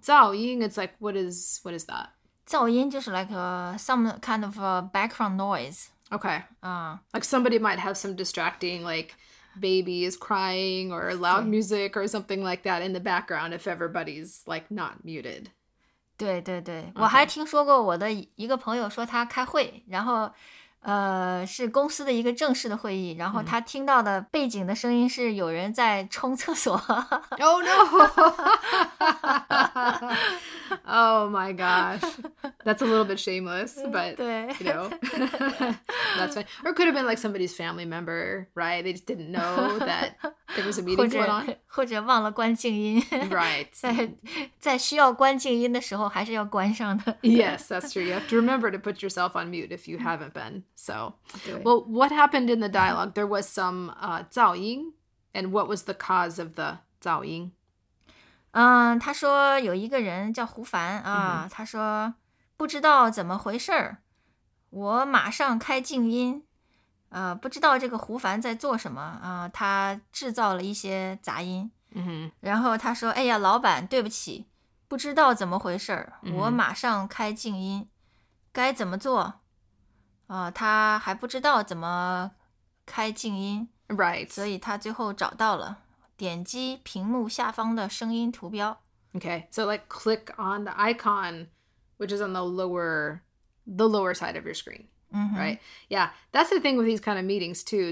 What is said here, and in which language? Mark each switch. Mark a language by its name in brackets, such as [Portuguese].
[English] 噪音 it's like what is that? [Chinese] 噪音就是 [English] like some kind of a background noise. Okay. Like somebody might have some distracting like baby is crying or loud music or something like that in the background if everybody's like not muted. [Chinese] 对对对、okay. 我还听说过我的一个朋友说他开会然后是公司的一个正式的会议然后他听到的背景的声音是有人在冲厕所。 [English] Oh no! Oh my gosh. That's a little bit shameless, but you know, that's fine. Or it could have been like somebody's family member, right? They just didn't know that there was a meeting going on. [Chinese] 或者忘了关静音。 [English] Right. [Chinese] 在需要关静音的时候还是要关上的。 [English] Yes, that's true. You have to remember to put yourself on mute if you haven't been. So, well, what happened in the dialogue? There was some 噪音, and what was the cause of the 噪音? [Chinese] 他说有一个人叫胡凡啊，他说不知道怎么回事儿，我马上开静音，不知道这个胡凡在做什么啊，他制造了一些杂音，然后他说，哎呀，老板，对不起，不知道怎么回事儿，我马上开静音，该怎么做？他还不知道怎么开静音 [English] ，right？ [Chinese] 所以他最后找到了，点击屏幕下方的声音图标。 [English] Okay, so like click on the icon, which is on the lower side of your screen,、 mm-hmm. right? Yeah, that's the thing with these kind of meetings too.